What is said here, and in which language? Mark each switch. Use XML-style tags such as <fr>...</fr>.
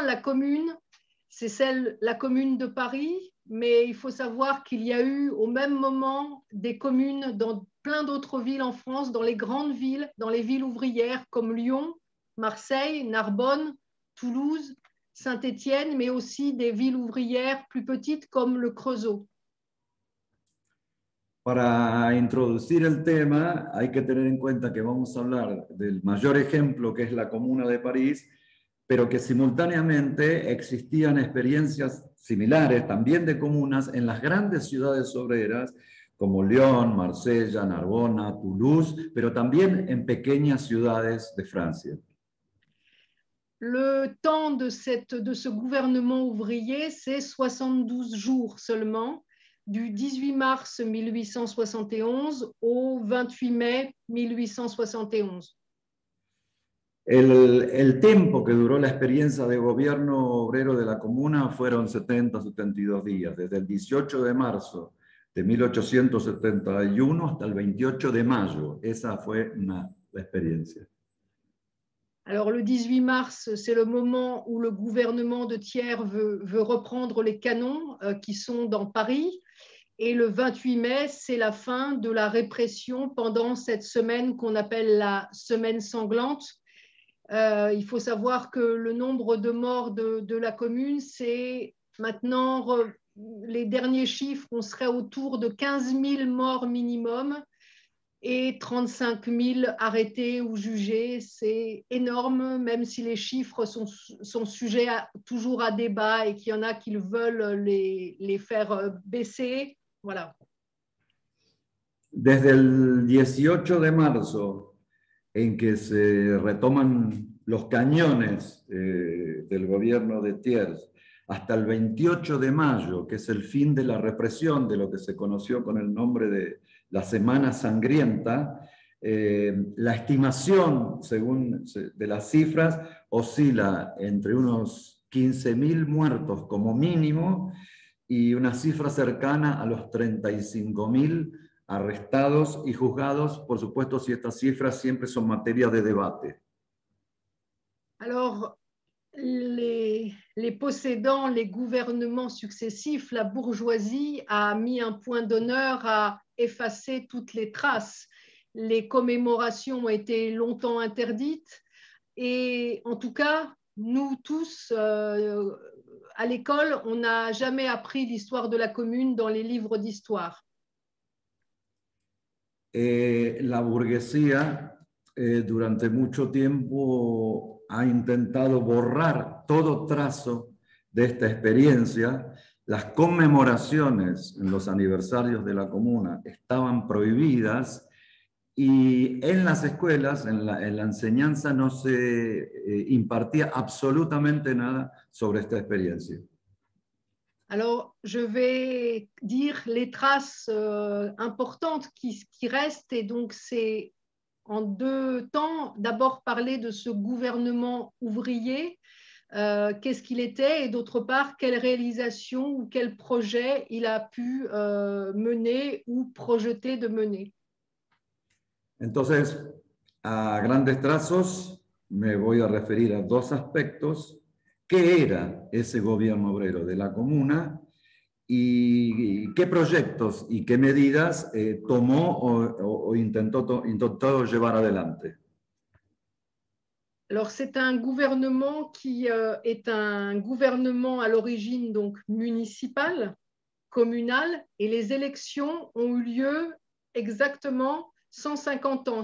<fr>La commune, c'est celle, la commune de Paris, mais il faut savoir qu'il y a eu au même moment des communes dans plein d'autres villes en France, dans les grandes villes, dans les villes ouvrières comme Lyon, Marseille, Narbonne, Toulouse, Saint-Étienne, mais aussi des villes ouvrières plus petites comme le Creusot.</fr> <es>Para introducir el tema, hay que tener en cuenta que vamos a hablar del mayor ejemplo que es la Comuna de París, pero que simultáneamente existían experiencias similares también de comunas en las grandes ciudades obreras como Lyon, Marsella, Narbona, Toulouse, pero también en pequeñas ciudades de Francia.</es> <fr>Le temps de ce gouvernement ouvrier, c'est 72 jours seulement. Du 18 mars 1871 au 28 mai 1871.</fr> <es>El tiempo que duró la experiencia de gobierno obrero de la comuna fueron 72 días, desde el 18 de marzo de 1871 hasta el 28 de mayo. Esa fue la experiencia.</es> <fr>Alors le 18 mars, c'est le moment où le gouvernement de Thiers veut reprendre les canons qui sont dans Paris. Et le 28 mai, c'est la fin de la répression pendant cette semaine qu'on appelle la semaine sanglante. Il faut savoir que le nombre de morts de la commune, c'est maintenant, les derniers chiffres, on serait autour de 15 000 morts minimum et 35 000 arrêtés ou jugés. C'est énorme, même si les chiffres sont sujets toujours à débat et qu'il y en a qui veulent les faire baisser. Voilà.</fr> <es>Desde el 18 de marzo, en que se retoman los cañones del gobierno de Thiers, hasta el 28 de mayo, que es el fin de la represión de lo que se conoció con el nombre de la Semana Sangrienta, la estimación según de las cifras oscila entre unos 15.000 muertos como mínimo y una cifra cercana a los 35.000 arrestados y juzgados, por supuesto, si estas cifras siempre son materia de debate.</es> <fr>Alors, les possédants, les gouvernements successifs, la bourgeoisie a mis un point d'honneur à effacer toutes les traces. Les commémorations ont été longtemps interdites et, en tout cas, nous tous, à l'école, on n'a jamais appris l'histoire de la commune dans les livres d'histoire.</fr> <es>La burguesía, durante mucho tiempo, ha intentado borrar todo trazo de esta experiencia. Las conmemoraciones en los aniversarios de la comuna estaban prohibidas y en las escuelas, en la enseñanza, no se impartía absolutamente nada sobre esta experiencia.</es> <fr>Alors, je vais dire les traces importantes qui restent, et donc c'est en deux temps. D'abord, parler de ce gouvernement ouvrier. Qu'est-ce qu'il était, et d'autre part, quelle réalisation ou quel projet il a pu mener ou projeter de mener.</fr> <es>Entonces, a grandes trazos, me voy a referir a dos aspectos. ¿Qué era ese gobierno obrero de la comuna? ¿Y qué proyectos y qué medidas tomó o intentó llevar adelante?</es> <fr>Alors, c'est un gouvernement qui est un gouvernement à l'origine donc municipal, communal, et les élections ont eu lieu exactement 150 ans.</fr>